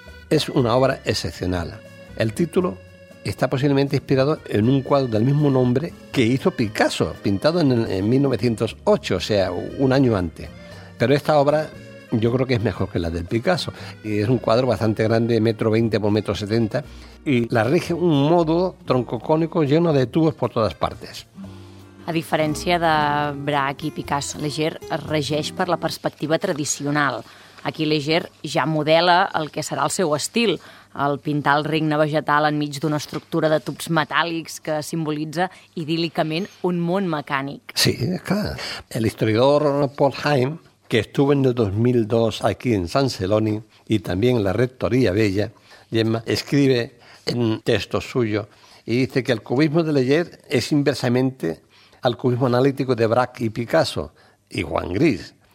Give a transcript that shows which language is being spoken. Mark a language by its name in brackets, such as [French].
[Spanish] Es una obra excepcional. El título está posiblemente inspirado en un cuadro del mismo nombre que hizo Picasso, pintado en 1908, o sea, un año antes. Pero esta obra yo creo que es mejor que la del Picasso. Y es un cuadro bastante grande, 1,20 m x 1,70 m, y la rige un módulo troncocónico lleno de tubos por todas partes. [Catalan] A diferència de Braque i Picasso, Leger es regeix per la perspectiva tradicional. Aquí Leger ja modela el que serà el seu estil, el pintar el regne vegetal enmig d'una estructura de tubs metàl·lics que simbolitza idíl·licament un món mecànic. Sí, és clar. [Spanish] El historiador Paul Heim, que estuvo en el 2002 aquí en San Celoni y también en la Rectoría Bella, Gemma, escribe en texto suyo y dice que el cubismo de Leger es inversamente al cubismo analítico de Braque y Picasso y Juan Gris.